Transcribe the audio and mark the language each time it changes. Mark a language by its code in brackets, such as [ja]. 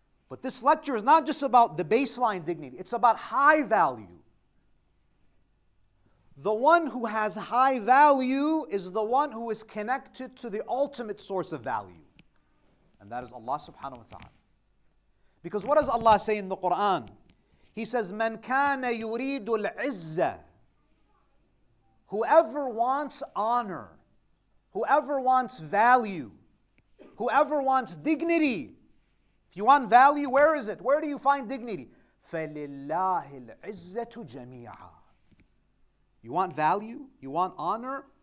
[en] But this lecture is not just about the baseline dignity, it's about high value. The one who has high value is the one who is connected to the ultimate source of value. And that is Allah subhanahu wa ta'ala. Because what does Allah say in the Quran? He says, [ar] مَنْ كَانَ يُرِيدُ الْعِزَّةِ. [en] Whoever wants honor, whoever wants value, whoever wants dignity. If you want value, where is it? Where do you find dignity? [ar] فَلِلَّهِ الْعِزَّةُ جَمِيعًا. [en] You want value? You want honor?